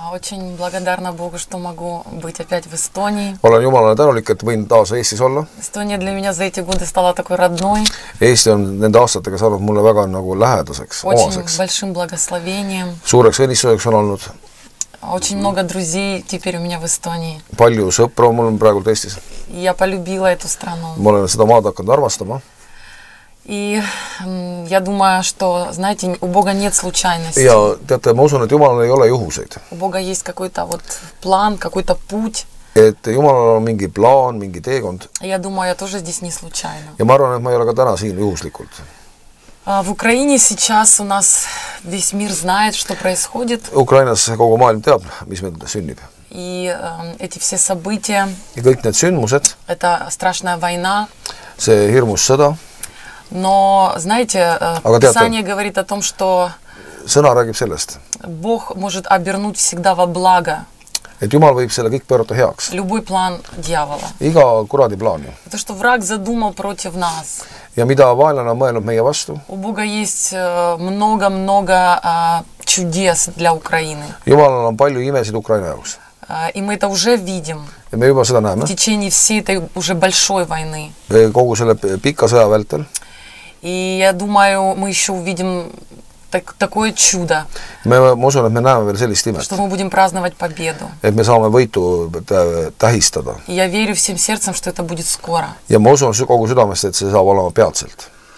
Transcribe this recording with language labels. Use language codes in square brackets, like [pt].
[ru] Очень благодарна Богу, что могу быть опять в Эстонии. [et] Olen jumalane tänulik, et võin taas Eestis olla. [ru] Estonia для меня за эти годы стала такой родной. [et] Eesti on nende aastatega saanud mulle väga nagu lähedaseks, omaseks. [ru] Очень большим благословением. [et] Suureks õnnistuseks on olnud. [ru] Очень много друзей теперь у меня в Эстонии. [et] Palju sõpru mul on praegult Eestis. [ru] Я полюбила эту страну. [et] Ma olen seda maad hakkanud armastama. [ru] И я думаю, что, знаете, у Бога нет случайностей. [et] Я, тете, ма усун, et Jumalal ei ole juhuseid. [ru] У Бога есть какой-то вот план, какой-то путь. [et] Et Jumalal on mingi plaan, mingi teekond. [ru] Я думаю, я тоже здесь не случайно. [et] Ja ma arvan, et ma ei ole ka täna siin juhuslikult. [ru] В Украине сейчас у нас весь мир знает, что происходит. [et] Ukrainas kogu maailm teab, mis meil sünnib. [ru] И эти все события. [et] Ja kõik need sündmused. [ru] Это страшная война. [et] See hirmus sõda. [ru] Но, знаете, Писание говорит о том, что [et] Сына räägib sellest. [ru] Бог может обернуть всегда во благо. [et] Et Jumal võib selle kõik pöörata heaks. [ru] Любой план дьявола. [et] Iga kuradi plaani. [ru] То, что враг задумал против нас. [et] Ja mida vaelane on mõelnud meie vastu. [ru] У Бога есть много-много чудес для Украины. [et] Jumalal on palju imesid Ukraina jaoks. [ru] И мы это уже видим. [et] Ja me juba seda näeme. [ru] В течение всей этой уже большой войны. [et] Kogu selle pika sõja vältel. [ru] И я думаю, мы еще увидим такое чудо. [et] Ma usun, et me näeme veel sellist imet. [ru] Что мы будем праздновать победу. [et] Et me saame võitu tähistada. [ru] Я верю всем сердцем, что это будет скоро. [et] Ja ma usun kogu südamest, et see saab olema peatselt.